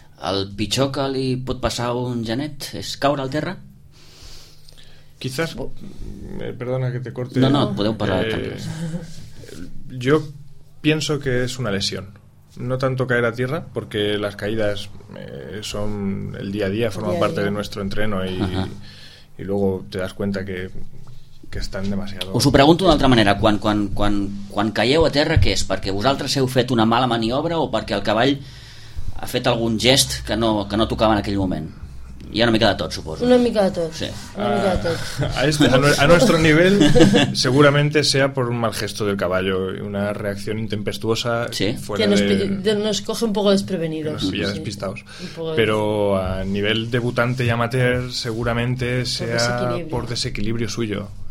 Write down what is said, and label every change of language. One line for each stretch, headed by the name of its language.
Catalan: El pitjor que li pot passar a un genet és caure al terra?
Spanish: Quizás, perdona que te corte.
Catalan: No, podeu parlar.
Spanish: Yo pienso que es una lesión. No tanto caer a tierra, porque las caídas son el día a día, forman parte de nuestro entreno y luego te das cuenta que estan demasiado...
Catalan: Us ho pregunto d'altra manera. Quan caieu a terra, què és? Perquè vosaltres heu fet una mala maniobra o perquè el cavall ha fet algun gest que no tocava en aquell moment? Hi ha una mica de tot, suposo. Una mica de tot. Sí.
Spanish: A nuestro nivel, seguramente sea por un mal gesto del caballo, una reacción intempestuosa. Sí. Nos coge un poco desprevenidos. Nos pilla despistados. Sí, pero a nivel debutante y amateur, seguramente sea por desequilibrio suyo.